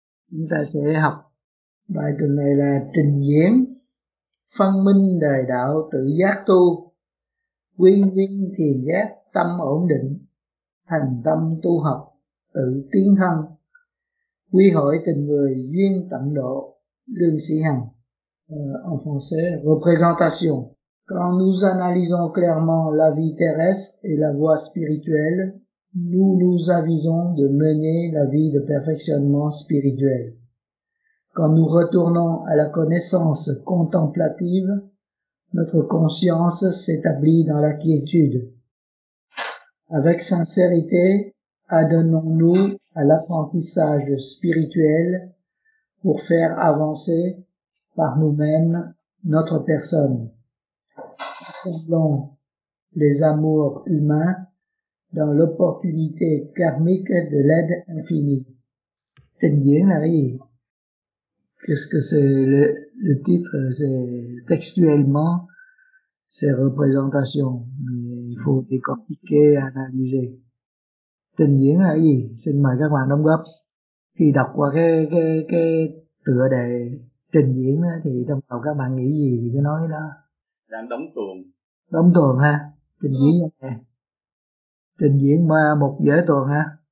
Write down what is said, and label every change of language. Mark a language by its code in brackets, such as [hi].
[vi] Chúng ta sẽ học bài tuần này là trình diễn phân minh đời đạo tự giác tu, quy nguyên thiền giác tâm ổn định, thành tâm tu học tự tiến thân, quy hội tình người duyên tận độ, Lương Sĩ Hằng. [fr] En français, représentation. Quand nous analysons clairement la vie terrestre et la voie spirituelle, nous nous avisons de mener la vie de perfectionnement spirituel. Quand nous retournons à la connaissance contemplative, notre conscience s'établit dans la quiétude. Avec sincérité, adonnons-nous à l'apprentissage spirituel pour faire avancer par nous-mêmes notre personne. Rassemblons les amours humains dans l'opportunité karmique de l'aide infinie. [vi] Tình diễn là cái gì? [fr] Qu'est-ce que c'est le titre? C'est textuellement, c'est représentation. Mais il faut décortiquer, analyser. [vi] Tình diễn là cái gì? Xin mời các bạn đóng góp. Khi đọc qua cái tựa đề trình diễn đó, thì trong đầu các bạn nghĩ gì thì cứ nói đó. Đang đóng tuồng. Đóng tuồng ha, trình diễn như thế. Trình diễn mà một vở tuồng ha.